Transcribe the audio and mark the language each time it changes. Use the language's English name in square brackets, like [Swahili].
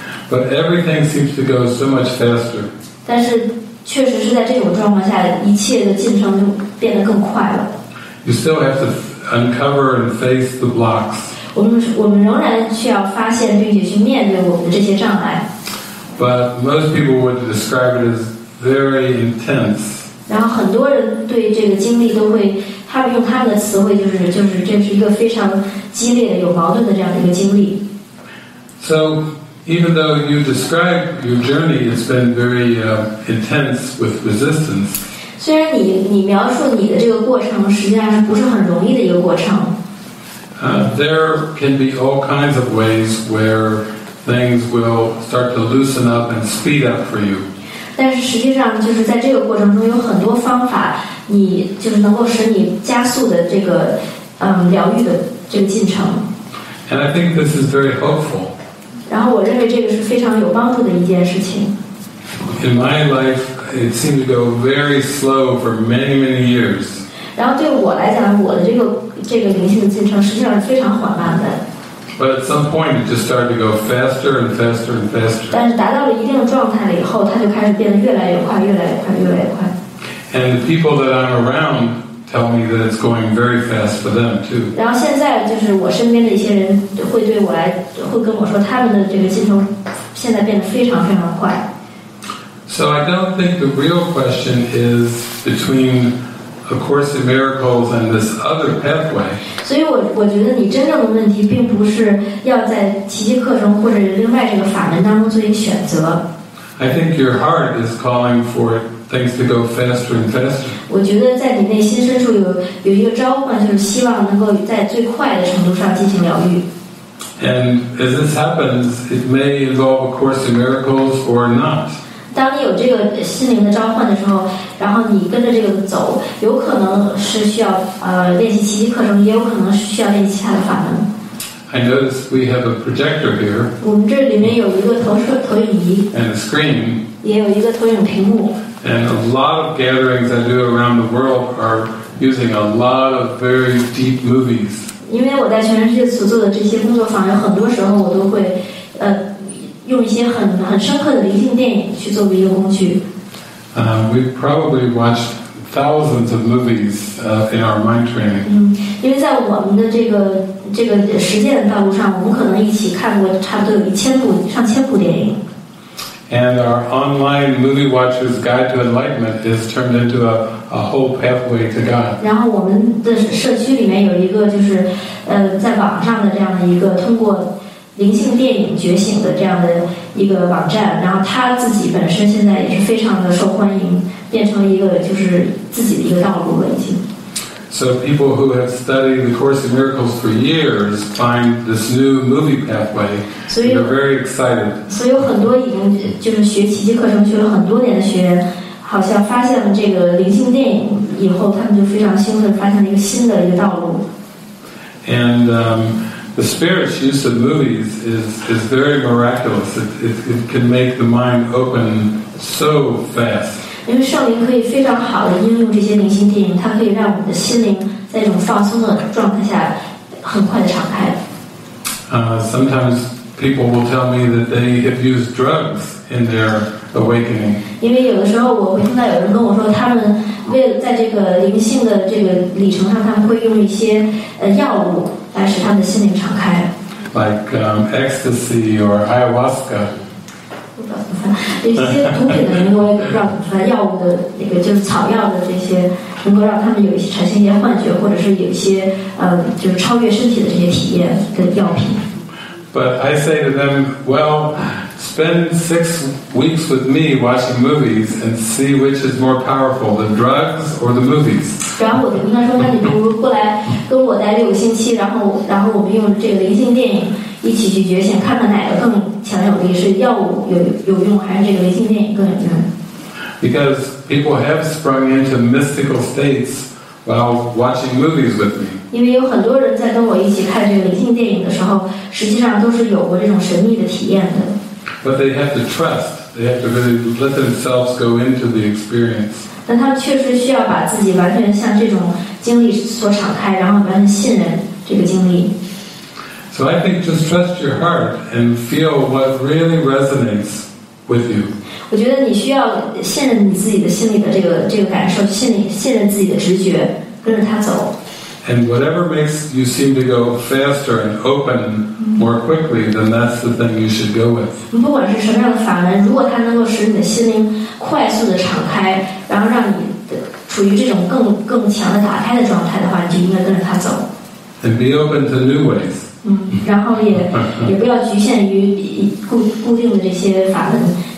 [English] But everything seems to go so much faster. [Chinese] 但是，确实是在这种状况下，一切的进程就变得更快了。 [English] You still have to uncover and face the blocks. [Chinese] 我们仍然需要发现并且去面对我们这些障碍。 [English] But most people would describe it as very intense. [Chinese] 然后很多人对这个经历都会，他们用他们的词汇就是这是一个非常激烈的有矛盾的这样的一个经历。 [English] So even though you describe your journey, it's been very intense with resistance. [Chinese] 虽然你描述你的这个过程，实际上不是很容易的一个过程。 [English] There can be all kinds of ways where. Things will start to loosen up and speed up for you. [Chinese] 但是实际上就是在这个过程中有很多方法，你就是能够使你加速的这个疗愈的这个进程。 [English] And I think this is very hopeful. [Chinese] 然后我认为这个是非常有帮助的一件事情。 [English] In my life, it seemed to go very slow for many, many years. [Chinese] 然后对我来讲，我的这个灵性的进程实际上是非常缓慢的。 [English] But at some point, it just started to go faster and faster and faster. [Chinese] 但是达到了一定的状态了以后，它就开始变得越来越快，越来越快，越来越快。 [English] And the people that I'm around tell me that it's going very fast for them too. [Chinese] 然后现在就是我身边的一些人会跟我说，他们的这个进程现在变得非常非常快。 [English] So I don't think the real question is between. A Course in Miracles and this other pathway. [Chinese] 所以我觉得你真正的问题并不是要在奇迹课程或者另外这个法门当中做一个选择。 [English] I think your heart is calling for things to go faster and faster. [Chinese] 我觉得在你内心深处有一个召唤，就是希望能够在最快的程度上进行疗愈。 [English] And as this happens, it may involve A Course in Miracles or not. [Chinese] 当你有这个心灵的召唤的时候，然后你跟着这个走，有可能是需要练习奇迹课程，也有可能是需要练习其他的法门。 [English] I notice we have a projector here. [Chinese] 我们这里面有一个投影仪。 [English] And a screen. [Chinese] 也有一个投影屏幕。 [English] And a lot of gatherings I do around the world are using a lot of very deep movies. [Chinese] 因为我在全世界所做的这些工作坊，有很多时候我都会用一些很深刻的灵性电影去作为一个工具。 [English] We've probably watched thousands of movies in our mind training. [Chinese] 因为在我们的这个实践道路上，我们可能一起看过差不多有上千部电影。 [English] And our online movie watcher's guide to enlightenment is turned into a whole pathway to God. [Chinese] 然后我们的社区里面有一个就是在网上的这样的一个通过。灵性电影觉醒的这样的一个网站，然后他自己本身现在也是非常的受欢迎，变成一个就是自己的一个道路了已经。 [English] So people who have studied the Course in Miracles for years find this new movie pathway. So they're very excited. [Chinese] 所以有很多已经就是学奇迹课程学了很多年的学员，好像发现了这个灵性电影以后，他们就非常兴奋，发现了一个新的一个道路。 [English] And The spirit's use of movies is very miraculous. It can make the mind open so fast. [Chinese] 因为圣灵可以非常好的应用这些灵性电影，它可以让我们的心灵在一种放松的状态下很快的敞开。 [English] Sometimes people will tell me that they have used drugs in their awakening. [Chinese] 因为有的时候我会听到有人跟我说，他们为了在这个灵性的这个里程上，他们会用一些药物。来使他的心灵敞开 [English] ，like ecstasy or ayahuasca。 [Chinese] 有些毒品的人都不知道怎么办，药物的那个就是草药的这些能够让他们有一些产生一些幻觉，或者是有一些就是超越身体的这些体验的药品。 [English] But I say to them, well, spend 6 weeks with me watching movies and see which is more powerful, the drugs or the movies. [Chinese] 然后我跟他说，那你不如过来跟我待6星期，然后我们用这个灵性电影一起去觉醒，看看哪个更强有力，是药物有用，还是这个灵性电影更有用？ [English] Because people have sprung into mystical states while watching movies with me. [Chinese] 因为有很多人在跟我一起看这个灵性电影的时候，实际上都是有过这种神秘的体验的。 [English] But they have to trust. They have to really let themselves go into the experience. [Chinese] 但他们确实需要把自己完全向这种经历所敞开，然后完全信任这个经历。 [English] So I think just trust your heart and feel what really resonates with you. [Chinese] 我觉得你需要信任你自己的心里的这个感受，信任自己的直觉，跟着它走。 [English] And whatever makes you seem to go faster and open more quickly, then that's the thing you should go with. [Chinese] 不管是什么样的法门，如果它能够使你的心灵快速的敞开，然后让你处于这种更强的打开的状态的话，你就应该跟着它走。 [English] And be open to new ways. [Chinese] 然后也不要局限于固定的这些法门。